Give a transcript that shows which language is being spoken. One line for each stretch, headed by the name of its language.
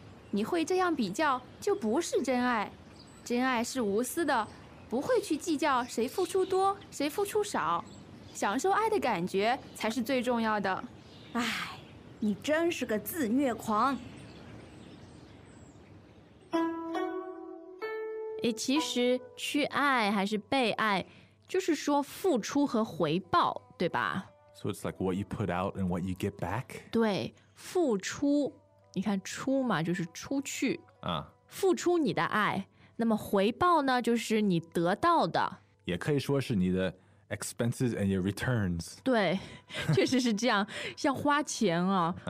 Chinese: 你会这样比较就不是真爱，真爱是无私的，不会去计较谁付出多谁付出少，享受爱的感觉才是最重要的。哎，你真是个自虐狂。其实去爱还是被爱，就是说付出和回报，对吧？
English: So it's like what you put out and what you get back.
Chinese: 对，付出，你看出嘛，就是出去啊，付出你的爱，那么回报呢，就是你得到的，也可以说是你的
English: expenses and your returns.
Chinese: 对，确实是这样，像花钱啊，